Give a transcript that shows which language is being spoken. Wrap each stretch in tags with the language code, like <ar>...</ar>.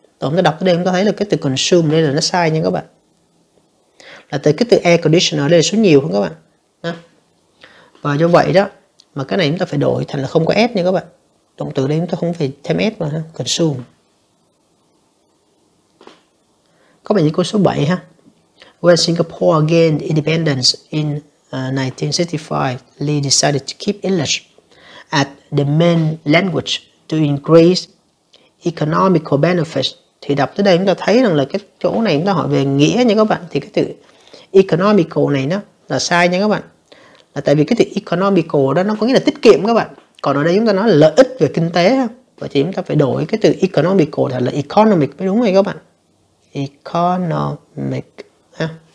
<vi>Chúng ta đọc tới đây chúng ta thấy là cái từ consume đây là nó sai nha các bạn. Là từ cái từ air conditioner đây là số nhiều không các bạn. Ha. Và do vậy đó mà cái này chúng ta phải đổi thành là không có s nha các bạn. Động từ đây chúng ta không phải thêm s mà ha, consume. Các bạn nhìn câu số 7 ha.</vi> <en>When Singapore gained independence in 1965, Lee decided to keep English as the main language to increase economical benefits.</en> <vi>Thì đọc tới đây chúng ta thấy rằng là cái chỗ này chúng ta hỏi về nghĩa nha các bạn, thì cái từ economical này nó là sai nha các bạn. Là tại vì cái từ economical đó nó có nghĩa là tiết kiệm các bạn. Còn ở đây chúng ta nói là lợi ích về kinh tế ha. Vậy thì chúng ta phải đổi cái từ economical thành là economic mới đúng rồi các bạn. Economic ha.</vi>